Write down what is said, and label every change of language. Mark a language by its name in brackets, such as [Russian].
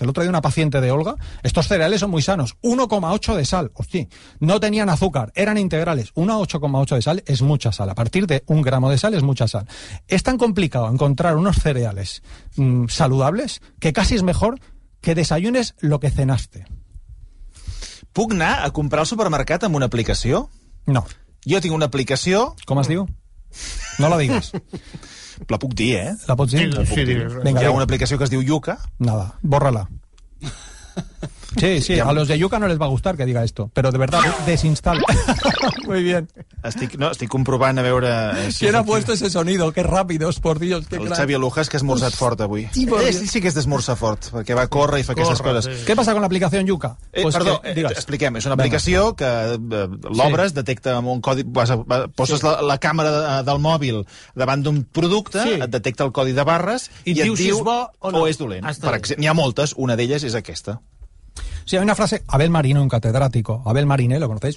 [Spanish] El otro día una paciente de Olga. Estos cereales son muy sanos. 1,8 de sal. Hostia. No tenían azúcar. Eran integrales. 1,8 de sal es mucha sal. A partir de un gramo de sal es mucha sal. Es tan complicado encontrar unos cereales saludables que casi es mejor que desayunes lo que cenaste. [Catalan] ¿Puc anar a comprar al supermercat amb una aplicació? No. Jo tinc una aplicació... ¿Cómo es diu? No la digues. La puc dir, eh? La pots dir? Sí, la puc sí, dir. Vinga, hi ha una aplicació que es diu Yuka. [Spanish] Nada, bórrala. Sí, a los de Yuka no les va gustar que diga esto, pero de verdad, desinstala. Muy bien. [Catalan] Estic comprovant a veure... [Spanish] Si ¿quién ha puesto ese sonido? Qué rápidos, por Dios. [Catalan] El Xavi Alujas, que ha esmorzat fort avui. Sí que és d'esmorzar fort, perquè va córrer i fa aquestes coses. Sí. [Spanish] ¿Qué pasa con la aplicación Yuka? [Catalan] Expliquem, és una aplicació que l'obres, detecta amb un codi... Poses la càmera del mòbil davant d'un producte, et detecta el codi de barres i et diu si és bo o és dolent. N'hi ha moltes, una d'elles és aquesta. [Spanish] Sí, hay una frase, Abel Marino, un catedrático, Abel Mariné, ¿lo conocéis?